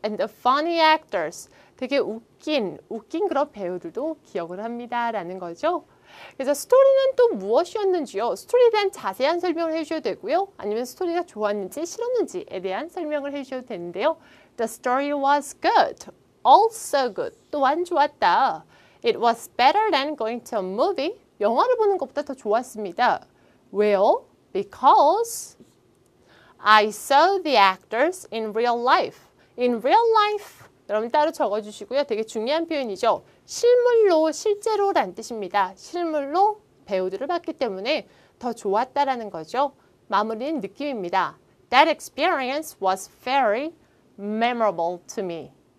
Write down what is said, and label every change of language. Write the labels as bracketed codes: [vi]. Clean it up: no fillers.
[en] And the funny actors. [ko] 되게 웃긴 그런 배우들도 기억을 합니다. 라는 거죠. 그래서 스토리는 또 무엇이었는지요? 스토리에 대한 자세한 설명을 해주셔도 되고요. 아니면 스토리가 좋았는지 싫었는지에 대한 설명을 해주셔도 되는데요. [en] The story was good. Also good. [ko] 또한 좋았다. [en] It was better than going to a movie. [ko] 영화를 보는 것보다 더 좋았습니다. 왜요? [en] Because I saw the actors in real life. In real life. [ko] 여러분 따로 적어주시고요. 되게 중요한 표현이죠. 실물로, 실제로란 뜻입니다. 실물로 배우들을 봤기 때문에 더 좋았다라는 거죠. 마무리는 느낌입니다. [en] That experience was very memorable to me.